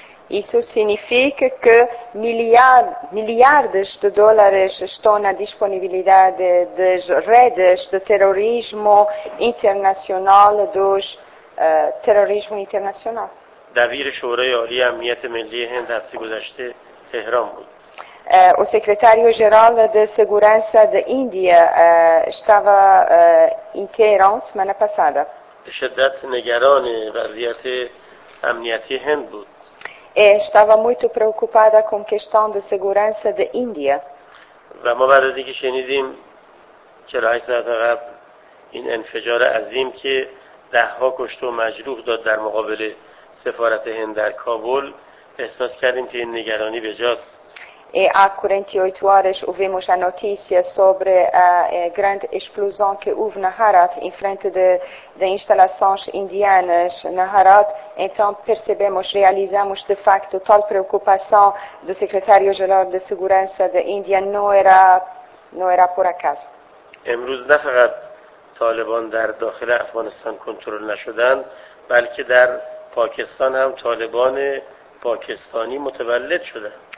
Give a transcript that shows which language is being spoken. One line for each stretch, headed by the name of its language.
Portuguese: Isso significa que milhares de dólares estão na disponibilidade das redes de terrorismo internacional, dos terrorismo internacional.
Persian: دبیر شورای عالی امنیت ملی هند هفته گذشته تهران بود.
Portuguese: O secretário-geral de segurança da Índia estava em Teheran semana passada.
Persian: شدت نگران وضعیت امنیتی هند بود.
Portuguese: Estava muito preocupada com a questão de segurança da Índia.
Persian: و ما بعد از اینکه شنیدیم 48 ساعت قبل این انفجار عظیم که ده ها کشته و مجروح داد در مقابل سفارت هند در کابل احساس کردیم که این نگرانی بجاست.
Portuguese: E há 48 horas ouvimos a notícia sobre a grande explosão que houve na Herat, em frente de instalações indianas na Herat. Então percebemos, realizamos de facto tal preocupação do secretário-geral de segurança da Índia não era por acaso.
Persian: امروز نه فقط طالبان در داخل افغانستان کنترل نشدند بلکه در پاکستان هم طالبان پاکستانی متولد شده.